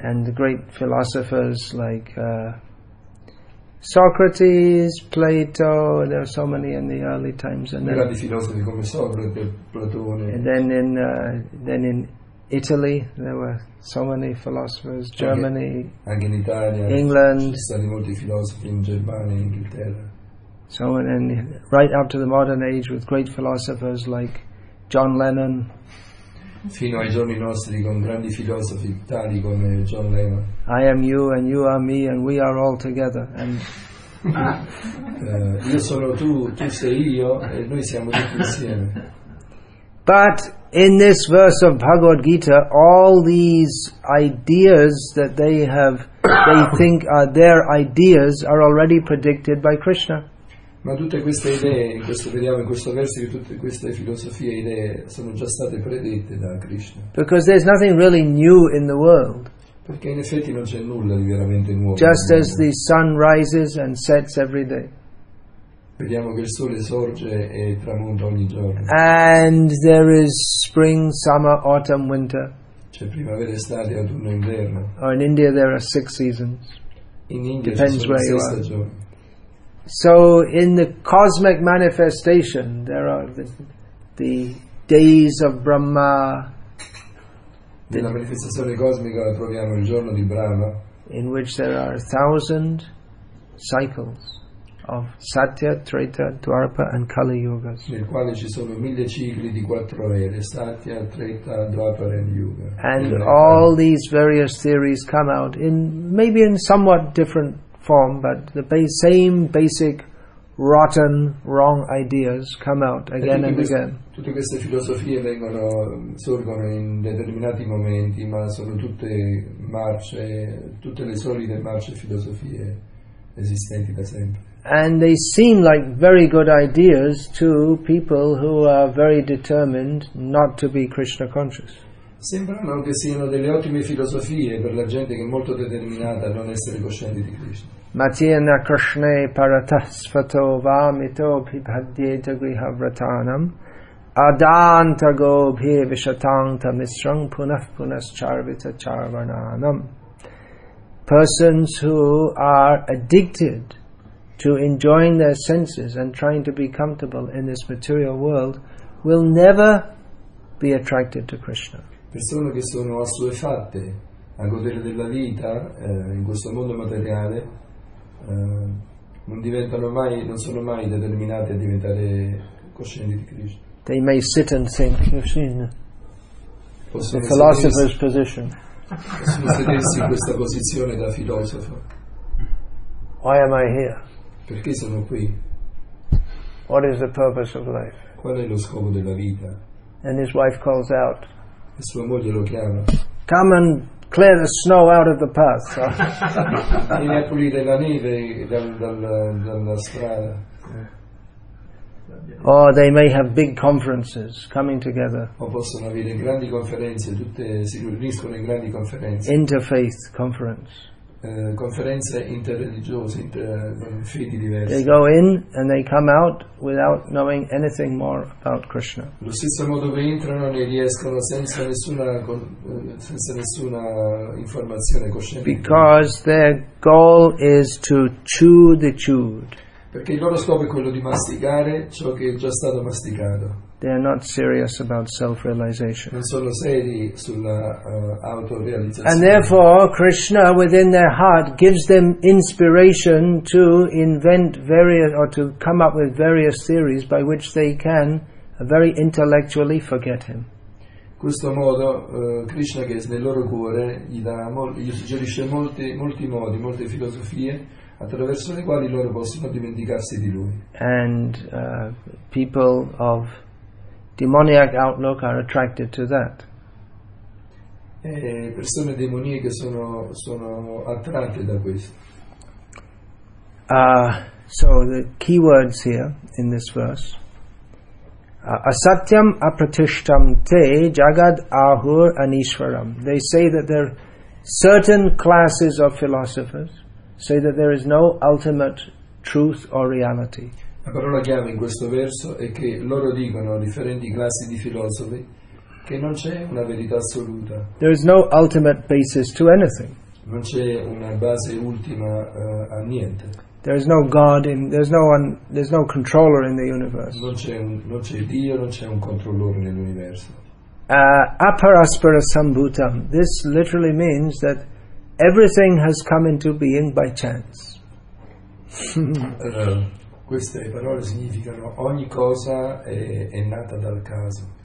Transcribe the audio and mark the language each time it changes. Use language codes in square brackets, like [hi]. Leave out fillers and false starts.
[en] and the great philosophers like Socrates, Plato, there are so many in the early times, and then [it] filosofi come Socrate, Platone. [en] And then in Italy there were so many philosophers, Germany, [it] anche in Italia, [en] England, [it] ci sono molti filosofi in Germania, in Inghilterra. [en] So and then right up to the modern age with great philosophers like John Lennon. [it] Fino ai giorni nostri con grandi filosofi tali come John Lennon. [en] I am you and you are me and we are all together. And [it] io sono tu, tu sei io e noi siamo tutti insieme. [en] But in this verse of Bhagavad Gita, all these ideas that they have, they think are their ideas, are already predicted by Krishna. [it] Ma tutte queste idee, questo vediamo in questo verso, che tutte queste filosofie, idee, sono già state predette da Krishna. [en] Because there's nothing really new in the world. [it] Perché in effetti non c'è nulla di veramente nuovo. [en] Just as the sun rises and sets every day. [it] Vediamo che il sole sorge e tramonta ogni giorno. [en] And there is spring, summer, autumn, winter. [it] C'è primavera, estate, autunno, inverno. [en] Or in India there are six seasons. [it] In India depends ci sono where sei stagioni. [en] So in the cosmic manifestation there are the days of Brahma. [it] Nella manifestazione cosmica troviamo il giorno di Brahma. [en] In which there are 1,000 cycles of Satya, Treta, Dwarpa and Kali Yugas. [it] Nel quale ci sono 1,000 cicli di quattro ere, Satya, Treta, Dwapara and Yuga. [en] And all these various theories come out in maybe in somewhat different form, but the same basic rotten, wrong ideas come out again and again. [it] Tutte queste filosofie vengono sorgono in determinati momenti, ma sono tutte marce, tutte le solite marce filosofie esistenti da sempre. [en] And they seem like very good ideas to people who are very determined not to be Krishna conscious. [it] Sembrano che siano delle ottime filosofie per la gente che è molto determinata a non essere cosciente di Krishna. [sa] Matiena Krishna paratasvato vamito pibhadyeta grihavratanam adanta go bhivishatanta mistrang punas punas charvita charvananam. [en] Persons who are addicted to enjoying their senses and trying to be comfortable in this material world will never be attracted to Krishna. [it] Persone che sono assuefatte a godere della vita in questo mondo materiale non sono mai determinate a diventare coscienti di Krishna. [en] They may sit and think, you've seen the philosopher's position. [it] Possono sedersi in questa posizione da filosofo. [en] Why am I here? [it] Perché sono qui? [en] What is the purpose of life? [it] Qual è lo scopo della vita? [en] And his wife calls out. [it] E sua moglie lo chiama. [en] Come and clear the snow out of the path. [it] Vieni a pulire la neve dalla strada. [en] Or they may have big conferences coming together. [it] O possono avere grandi conferenze, tutte si riuniscono in grandi conferenze. [en] Interfaith conference. [it] Conferenze interreligiose, fedi diverse. [en] They go in and they come out without knowing anything more about Krishna. [it] Lo stesso modo che entrano ne riescono senza nessuna informazione cosciente. [en] Because their goal is to chew the chewed. [it] Perché il loro scopo è quello di masticare ciò che è già stato masticato. [en] They are not serious about self-realization. [it] Non sono seri sulla autorealizzazione. [en] And therefore, Krishna, within their heart, gives them inspiration to invent various or to come up with various theories by which they can very intellectually forget him. [it] In questo modo, Krishna, che è nel loro cuore, gli suggerisce molti modi, molte filosofie attraverso le quali loro possono dimenticarsi di lui. [en] And people of demoniac outlook are attracted to that. [it] Persone demoniache sono attratte da questo. [en] So the key words here in this verse. [sa] Asatyam apratishtam te jagad ahur anishwaram. [en] They say that there are certain classes of philosophers say that there is no ultimate truth or reality. [it] La parola chiave in questo verso è che loro dicono, differenti classi di filosofi, che non c'è una verità assoluta. [en] There is no ultimate basis to anything. [it] Non c'è una base ultima a niente. [en] There is no God in, there's no one, there's no controller in the universe. [it] Non c'è Dio, non c'è un controllore nell'universo. [sa] Aparaspara sambhutam. [en] This literally means that everything has come into being by chance. [it] Queste parole significano ogni cosa è nata dal caso.